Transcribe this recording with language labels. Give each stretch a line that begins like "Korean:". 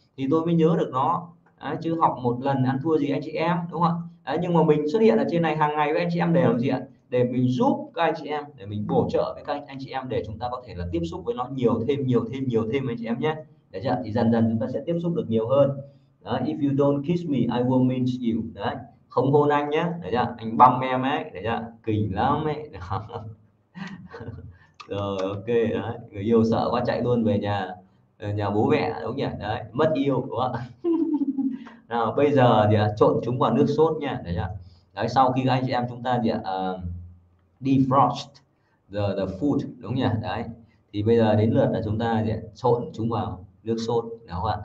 Vietnamese: Thì tôi mới nhớ được nó. Đấy, chứ học một lần ăn thua gì anh chị em, đúng không ạ? Nhưng mà mình xuất hiện ở trên này hàng ngày với anh chị em để làm gì ạ? Để mình giúp các anh chị em, để mình bổ trợ với các anh chị em để chúng ta có thể là tiếp xúc với nó nhiều thêm, nhiều thêm, nhiều thêm anh chị em nhé. Đấy chưa? Thì dần dần chúng ta sẽ tiếp xúc được nhiều hơn. Đó,
English: if you don't kiss me, I won't meet you.
Vietnamese: Đấy, không hôn anh nhé, đấy chưa? Anh băm em ấy, đấy chưa? Kình lắm ấy. Rồi ok đấy, người yêu sợ quá chạy luôn về nhà nhà bố mẹ đúng nhỉ, đấy mất yêu đúng không? Nào bây giờ thì trộn chúng vào nước sốt nha, đấy nhá. Đấy sau khi anh chị em chúng ta thì
English: defrost the food
Vietnamese: đúng nhỉ, đấy thì bây giờ đến lượt là chúng ta thì trộn chúng vào nước sốt đúng không ạ?